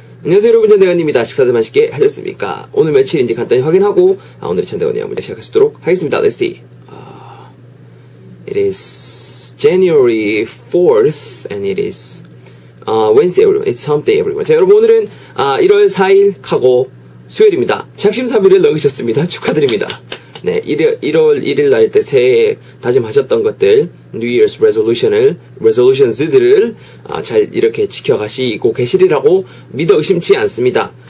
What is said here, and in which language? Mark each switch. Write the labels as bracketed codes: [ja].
[ko] 안녕하세요 여러분, 전대건입니다. 식사들 맛있게 하셨습니까? 오늘 며칠인지 간단히 확인하고 오늘의 전대건의 한번 시작하시도록 하겠습니다. [en] Let's see. It is January 4th and it is Wednesday everyone. It's hump day everyone. [ko] 자, 여러분 오늘은 1월 4일 카고 수요일입니다. 작심삼일을 넘기셨습니다. 축하드립니다. 네, 1월 1일 날 때 새해 다짐하셨던 것들, New Year's Resolutions들을 잘 이렇게 지켜가시고 계시리라고 믿어 의심치 않습니다.